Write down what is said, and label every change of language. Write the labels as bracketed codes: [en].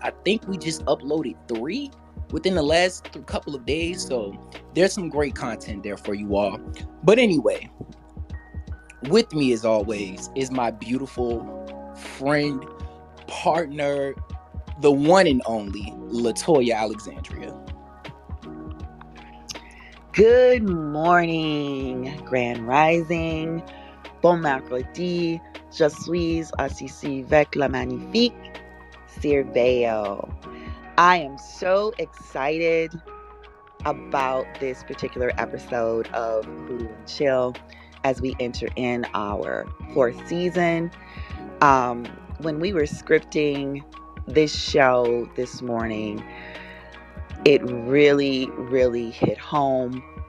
[en] I think we just uploaded three within the last couple of days, so there's some great content there for you all. But anyway, with me as always is my beautiful friend, partner, the one and only LaToya Alexandria. Good morning, Grand Rising, [fr] Bon Mercredi, Je suis assise avec la magnifique Cerveo. [en] I am so excited about this particular episode of Hoodoo and Chill as we enter in our fourth season. When we were scripting this show this morning, it really, really hit home.